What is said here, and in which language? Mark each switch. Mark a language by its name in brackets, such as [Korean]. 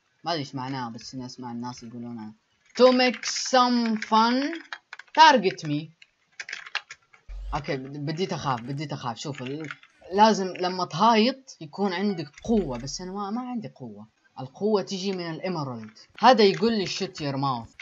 [Arabic] ما ادري ايش معناه، بس نسمع الناس يقولونها. [English] To make some fun, target me. [Arabic] اوكي، بديت اخاف. شوف، لازم لما تهايط يكون عندك قوة، بس انا ما عندي قوة. القوة تجي من الإمرالد. هذا يقول لي shut your mouth.